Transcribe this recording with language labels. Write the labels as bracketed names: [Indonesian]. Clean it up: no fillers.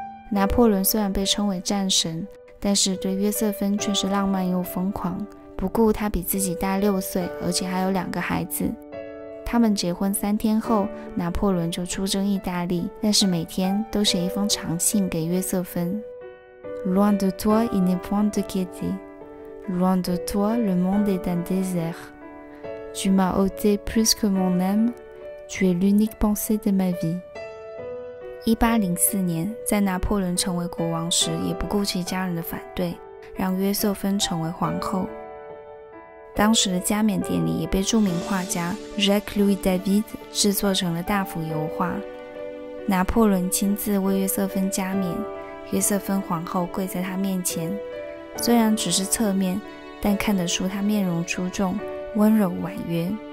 [Chinese] 拿破仑虽然被称为战神，但是对约瑟芬却是浪漫又疯狂，不顾他比自己大六岁，而且还有两个孩子。他们结婚三天后，拿破仑就出征意大利，但是每天都写一封长信给约瑟芬。 [French] Loin de toi, il n'est point de quitter. Loin de toi, le monde est un désert. Tu m'as ôté plus que mon âme. Tu es l'unique pensée de ma vie. [Chinese] 1804年，在拿破仑成为国王时，也不顾其家人的反对，让约瑟芬成为皇后。当时的加冕典礼也被著名画家 Jacques-Louis David 制作成了大幅油画。拿破仑亲自为约瑟芬加冕，约瑟芬皇后跪在他面前，虽然只是侧面，但看得出他面容出众，温柔婉约。